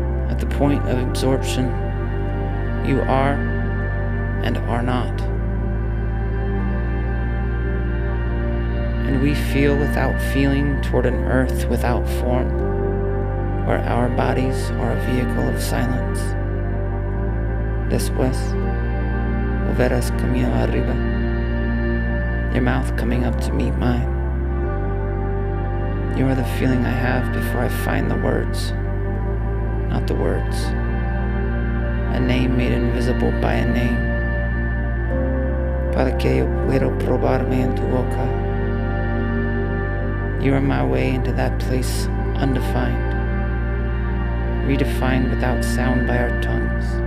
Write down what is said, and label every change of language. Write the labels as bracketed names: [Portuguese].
[English] At the point of absorption, you are and are not. And we feel without feeling toward an earth without form, where our bodies are a vehicle of silence. [Spanish] Después, volverás camino arriba. [English] Your mouth coming up to meet mine. You are the feeling I have before I find the words. Not the words. A name made invisible by a name. [Spanish] Para que yo pueda probarme en tu boca. [English] You are my way into that place undefined. Redefined without sound by our tongues.